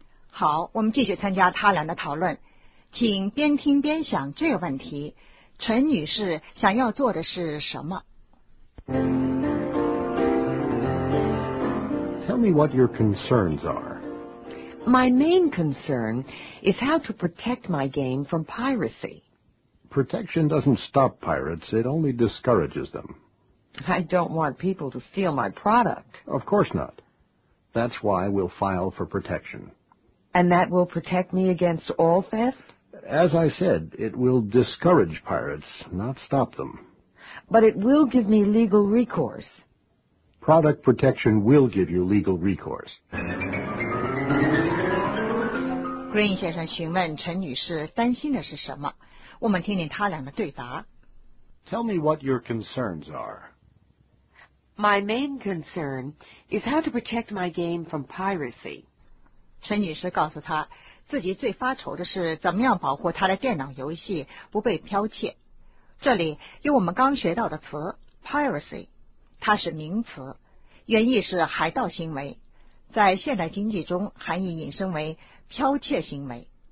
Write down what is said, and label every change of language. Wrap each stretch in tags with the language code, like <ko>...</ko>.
<zh>好，我们继续参加他俩的讨论。请边听边想这个问题，陈女士想要做的是什么？</zh> <en>Tell me what your concerns are. My main concern is how to protect my game from piracy. Protection doesn't stop pirates, it only discourages them. I don't want people to steal my product. Of course not. That's why we'll file for protection. And that will protect me against all theft? As I said, it will discourage pirates, not stop them. But it will give me legal recourse. Product protection will give you legal recourse.</en> <zh>Green 先生询问陈女士担心的是什么？我们听听他俩的对答。</zh> <en>Tell me what your concerns are. My main concern is how to protect my game from piracy.</en> <zh>陈女士告诉他，自己最发愁的是怎么样保护她的电脑游戏不被剽窃。这里有我们刚学到的词 piracy。它是名词，原意是海盗行为，在现代经济中含义引申为剽窃行为。</zh>